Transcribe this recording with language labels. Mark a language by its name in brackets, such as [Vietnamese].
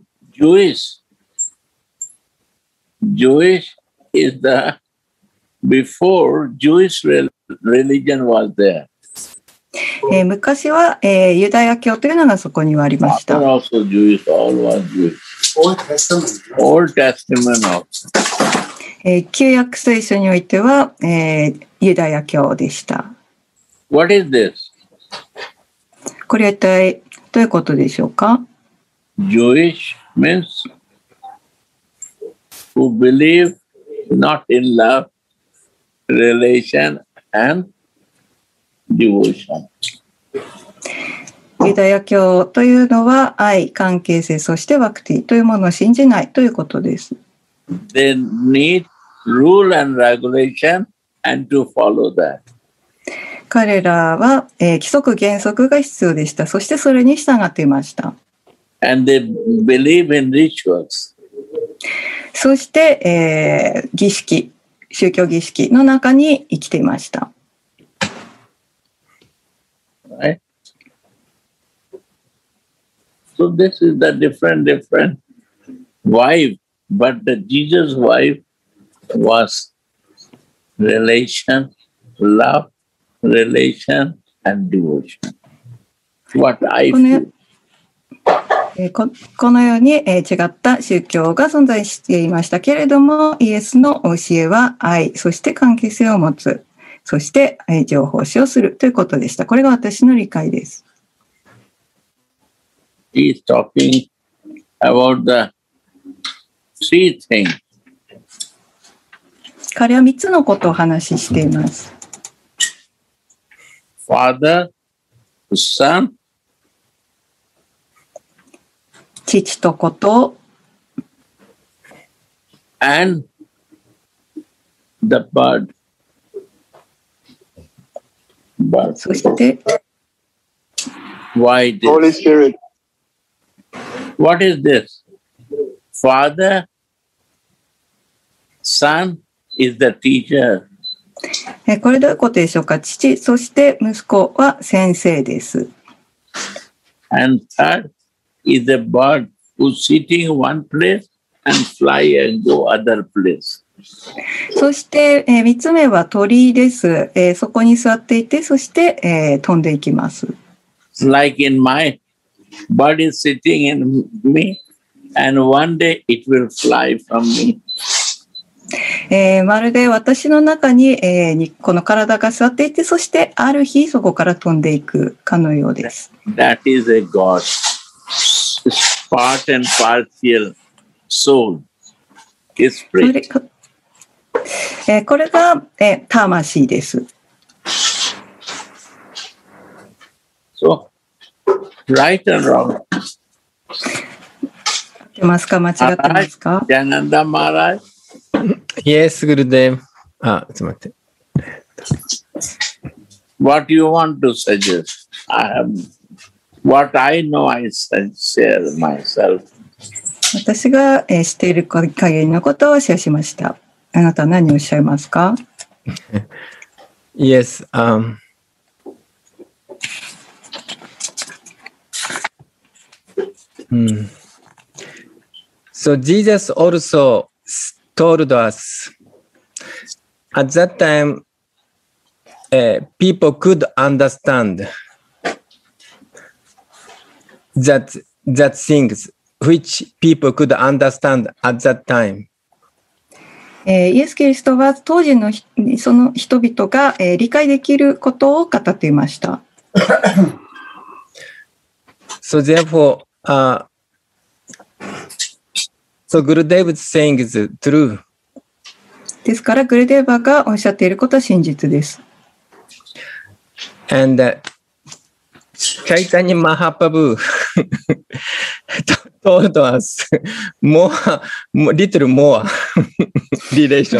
[English] Jewish is the before Jewish religion was there. [Japanese] 昔は、ユダヤ教というのがそこにはありました。 [English] Old Testament. Old Testament. [Japanese] 旧約聖書においては、ユダヤ教でした。 [English] What is this? [Japanese] これは一体どういうことでしょうか？ [English] Jewish means who believe not in love, relation and devotion. [Japanese] ユダヤ教というのは愛、関係性、そしてバクティというものを信じないということです。 [English] They need rule and regulation and to follow that. [Japanese] 彼らは、規則原則が必要でした。そしてそれに従っていました。 [English] And they believe in rituals. [Japanese] そして、儀式、宗教儀式の中に生きていました。 [English] So this is the different wife, but the Jesus wife was relation, love, relation and devotion. What I feel. [Japanese] このように違った宗教が存在していましたけれども、イエスの教えは愛、そして関係性を持つ、そして愛情奉仕をするということでした。これが私の理解です。 [English] He is talking about the three things. [Japanese] 彼は3つのことを話しています。 [English] Father, son, [Japanese] 父と子と [English] and the bird. [Japanese] そして、 [English] Why this? Holy Spirit. What is this? Father, Son is the teacher. [Japanese] これどういうことでしょうか。父、そして息子は先生です。 [English] And third is a bird who's sitting one place and fly and go other place. [Japanese] そして、3つ目は鳥です、そこに座っていてそして、飛んでいきます [English] Like in my body sitting in me and one day it will fly from me、 [Japanese] まるで私の中 に,、この体が座っていてそしてある日そこから飛んでいくかのようです [English] That is a God part and partial soul His spirit [Japanese] これが、魂です。 [English] So, right and wrong. [Japanese] 合ってますか？間違ってますか？ジャナンダ・マーライ。 [English] Yes, Gurudev. [Japanese] あ、ちょっと待って。 [English] What you want to suggest? What I know, I share myself. [Japanese] 私が、知っている限りのことをシェアしました。あなたは何をおっしゃいますか [English] Yes.、So Jesus also told us at that time、people could understand that things which people could understand at that time. [Japanese] イエス・キリストは当時のその人々が、理解できることを語っていました。 [English] So therefore, So Gurudev's saying is true. [Japanese] ですから、グルデーバーがおっしゃっていることは真実です。 [English] And Chaitanya Mahaprabhu told us more, little more relationship.